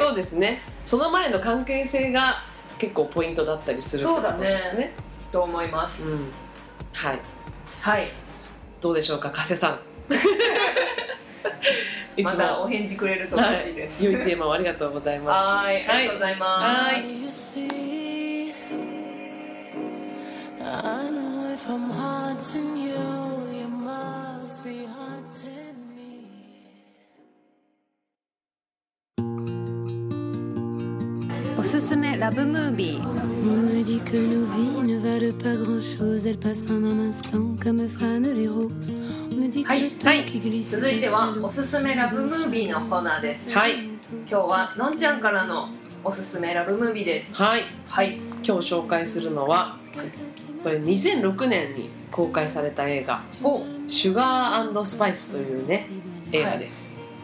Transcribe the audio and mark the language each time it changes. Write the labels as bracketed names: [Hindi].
[Japanese] そうですね、その前の関係性が結構ポイントだったりするってことですね、そうだね、と思います、うん、はい、はい、どうでしょうか加瀬さんまたお返事くれると嬉しいです、良いテーマをありがとうございます、はい、ありがとうございます、 [English] はい、I'm haunting you, you must be haunting me. [Japanese] おすすめラブムービー。 [French] On m'a dit que nos vies ne valent pas grand chose. Elles passent en un instant comme fanent les roses. On m'a dit que le temps qui glisse. [Japanese] 続いてはおすすめラブムービーのコーナーです。はい。今日はのんちゃんからのおすすめラブムービーです。はい。はい。今日紹介するのは、これ2006年に公開された映画を、シュガー&スパイスというね、映画です、